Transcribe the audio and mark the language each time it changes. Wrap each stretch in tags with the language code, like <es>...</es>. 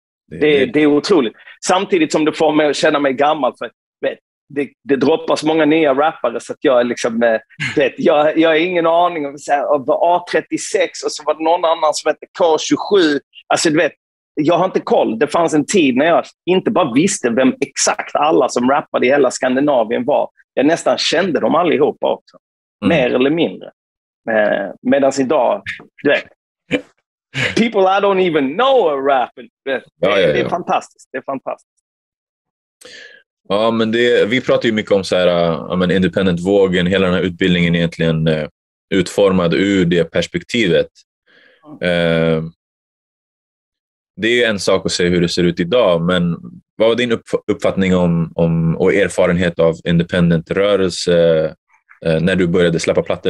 <sv>Det är otroligt. Samtidigt som det får mig att känna mig gammal, för det droppas många nya rappare, så att jag är liksom jag har ingen aning om så här, A36 och så var det någon annan som hette K27. Alltså du vet, jag har inte koll. Det fanns en tid när jag inte bara visste vem exakt alla som rappade i hela Skandinavien var. Jag nästan kände dem allihopa också. Mm. Mer eller mindre. Medan idag, du vet,</sv> <en>people I don't even know are rapping.</en> <sv>Det är fantastiskt. Det är fantastiskt. Ja, men vi pratar ju mycket om så här, independent-vågen. Hela den här utbildningen egentligen utformad ur det perspektivet. Mm. Det är ju en sak att se hur det ser ut idag, men vad var din uppfattning om och erfarenhet av independent-rörelse när du började släppa plattor?</sv>